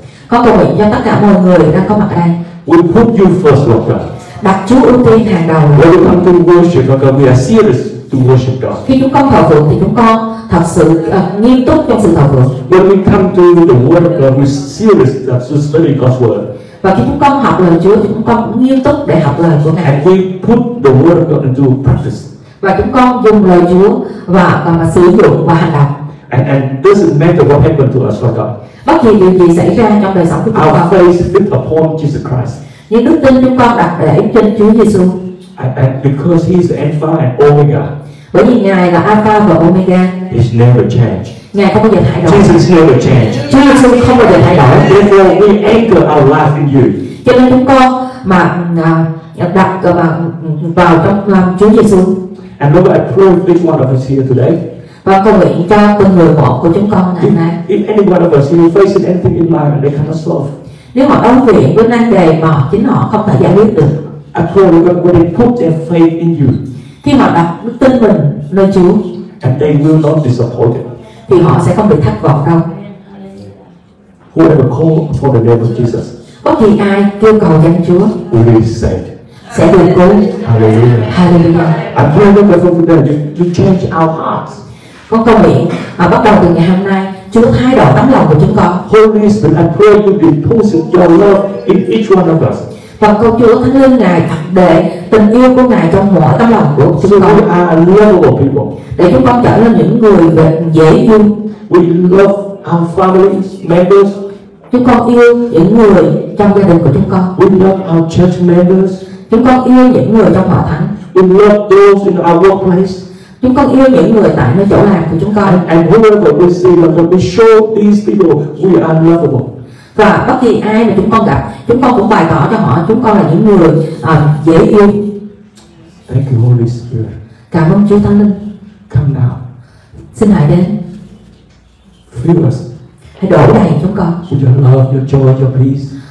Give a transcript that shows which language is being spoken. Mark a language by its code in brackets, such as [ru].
[vi] Con cầu nguyện cho tất cả mọi người đang có mặt ở đây. [en] We put you first, Lord God. [vi] Đặt Chúa ưu tiên hàng đầu. [en] When we come to worship, Lord God, we are serious to worship God. [vi] Khi chúng con thờ phượng thì chúng con thật sự nghiêm túc trong sự thờ phượng. [en] When we come to the Word of God, we serious to study God's Word. [vi] Và khi chúng con học lời Chúa thì chúng con cũng nghiêm túc để học lời của Ngài. [en] And we put the Word of God into practice. [vi] Và chúng con dùng lời Chúa và sử dụng và hành động. [en] And doesn't matter what happened to us, Lord God. [vi] Bất kỳ điều gì xảy ra trong đời sống của chúng con. [en] Our faith is built upon Jesus Christ. [vi] Những đức tin chúng con đặt để trên Chúa Giêsu. [en] And because He is the Alpha and Omega. [vi] Bởi vì Ngài là Alpha và Omega. [en] He's never changed. [vi] Ngài không bao giờ thay đổi. [en] Jesus never changed. [vi] Chúa Giêsu không bao giờ thay đổi. [en] Therefore, we anchor our life in you. [vi] Cho nên chúng con mà đặt vào trong Chúa Giêsu. [en] And Lord, I pray for each one of us here today. [vi] Và cầu nguyện cho từng người một của chúng con ngày nay. [en] If any one of us is facing anything in life, they cannot solve. [vi] Nếu họ đối diện với nan đề mà chính họ không thể giải quyết được. [en] I pray that when they put their faith in you. [vi] Khi họ đặt đức tin mình nơi Chúa. [en] And they will not be disappointed. [vi] Thì họ sẽ không bị thất vọng đâu. [en] Whoever calls for the name of Jesus. [vi] Bất kỳ ai kêu cầu danh Chúa. [en] Will be saved. [vi] Sẽ được cứu. [en] Hallelujah. [vi] Hallelujah. [en] I pray that God will today to change our hearts. [vi] Con cầu nguyện mà bắt đầu từ ngày hôm nay, Chúa thay đổi tấm lòng của chúng con. [en] Holy Spirit, I pray you be pushing your love in each one of us. [vi] Và cầu Chúa Thánh Linh Ngài thật để tình yêu của Ngài trong mỗi tấm lòng của chúng con. [en] So we are a lovable people. [vi] Để chúng con trở nên những người dễ thương. [en] We love our family members. [vi] Chúng con yêu những người trong gia đình của chúng con. [en] We love our church members. [vi] Chúng con yêu những người trong hội thánh. [en] We love those in our workplace. [vi] Chúng con yêu những người tại nơi chỗ làm của chúng con. [en] And whoever we see, whoever we show these people, we are lovable. [vi] Và bất kỳ ai mà chúng con gặp, chúng con cũng bày tỏ cho họ chúng con là những người dễ yêu. [en] Thank you, Holy Spirit. [vi] Cảm ơn Chúa Thánh Linh. [en] Come now. [vi] Xin hãy đến. [en] Fill us. [vi] Hãy đổ đầy chúng con. [en] With your love, your joy, your peace.